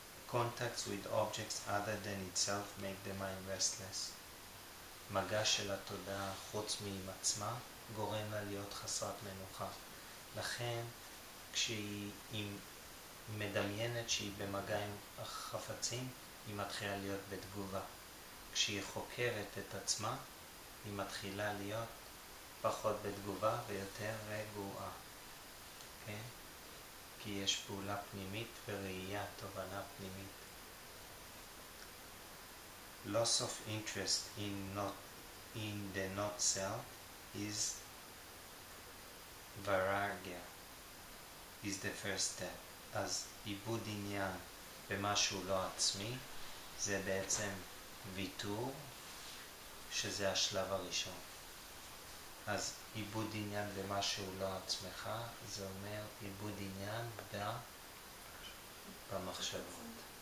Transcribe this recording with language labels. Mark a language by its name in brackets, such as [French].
[English] Contacts with objects other than itself make the mind restless. [Hebrew] מגע של התודעה חוץ מעם עצמה גורם לה להיות חסרת מנוחה. לכן כשהיא מדמיינת שהיא במגע עם החפצים, היא מתחילה להיות בתגובה. כשהיא חוקרת את עצמה, היא מתחילה להיות פחות בתגובה ויותר רגועה. כן? כי יש פעולה פנימית וראייה, תובנה פנימית. [English] Loss of interest in the not self is vairagya, is the first step. [Hebrew] אז איבוד עניין במשהו לא עצמי, זה בעצם ויתור, שזה השלב הראשון. אז איבוד עניין במה שהוא לא עצמך, זה אומר איבוד עניין במחשבות.